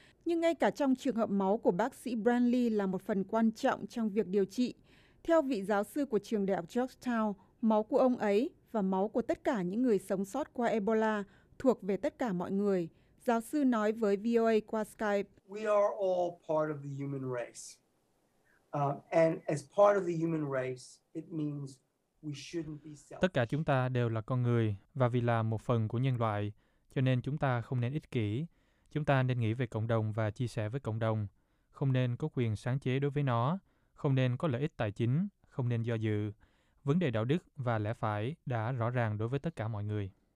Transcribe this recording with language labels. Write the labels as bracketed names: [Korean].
[Vietnamese] Nhưng ngay cả trong trường hợp máu của bác sĩ Brantley là một phần quan trọng trong việc điều trị. Theo vị giáo sư của trường đại học Georgetown, máu của ông ấy và máu của tất cả những người sống sót qua Ebola thuộc về tất cả mọi người. Giáo sư nói với VOA qua Skype. [English] We are all part of the human race. And as part of the human race, it means we shouldn't be selfish. [Vietnamese] Tất cả chúng ta đều là con người và vì là một phần của nhân loại, cho nên chúng ta không nên ích kỷ. Chúng ta nên nghĩ về cộng đồng và chia sẻ với cộng đồng, không nên có quyền sáng chế đối với nó, không nên có lợi ích tài chính, không nên do dự. Vấn đề đạo đức và lẽ phải đã rõ ràng đối với tất cả mọi người.